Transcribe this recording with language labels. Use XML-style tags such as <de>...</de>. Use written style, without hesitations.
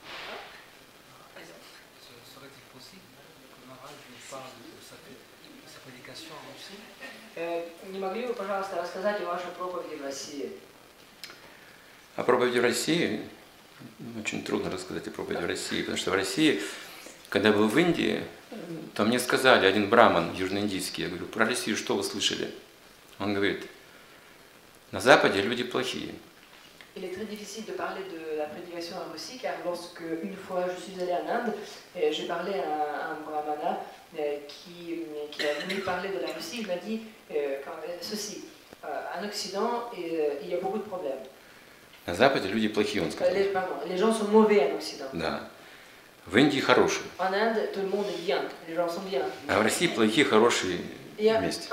<fr>Serait-il possible que Maharaj nous parle de sa prédication en Russie?</fr> <ru>Не могли бы, пожалуйста, рассказать о вашей проповеди в России? О проповеди в России? Очень трудно рассказать о проповеди в России, потому что в России, когда я был в Индии, то мне сказали, один браман южноиндийский, я говорю, про Россию что вы слышали? Он говорит, на Западе люди плохие.</ru> <fr>Il est très difficile de parler de la prédication en Russie, car lorsque une fois je suis allé en Inde, j'ai parlé à un brahmana qui a voulu parler de la Russie, il m'a dit ceci, en Occident, il y a beaucoup de problèmes.</fr> <ru>На Западе люди плохие, он сказал.</ru> <fr>Les gens sont mauvais en Occident.</fr> <ru>Да. В Индии хорошие.</ru> <fr>En Inde, tout le monde est bien. Les gens sont bien.</fr> <ru>А в России плохие, хорошие вместе.</ru>